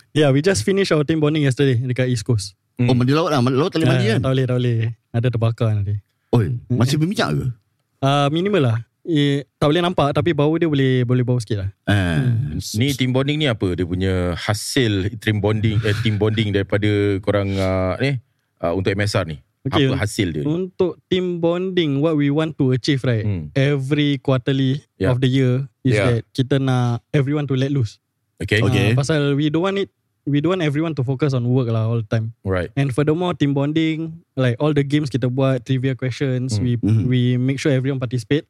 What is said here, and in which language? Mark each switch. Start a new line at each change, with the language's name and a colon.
English: Yeah, we just finished our team bonding yesterday dekat East Coast.
Malay: Oh, mandi laut lah. Laut tak boleh mandi kan? Tak boleh. Ada terbakar nanti. Oi, masih berminyak ke? Minimal lah. Tak boleh nampak tapi bau dia boleh bau sikit lah. Ni team bonding ni apa? Dia punya hasil team bonding daripada korang untuk MSR ni. Okay. Apa hasil dia?
English: Untuk team bonding, what we want to achieve right, every quarterly of the year is that
Malay: kita nak
English: everyone to let loose. Okay. Pasal we don't want everyone to focus on work lah all the time. Right. And furthermore, team bonding, like all the games
Malay: kita buat,
English: trivia questions, we make sure everyone participate.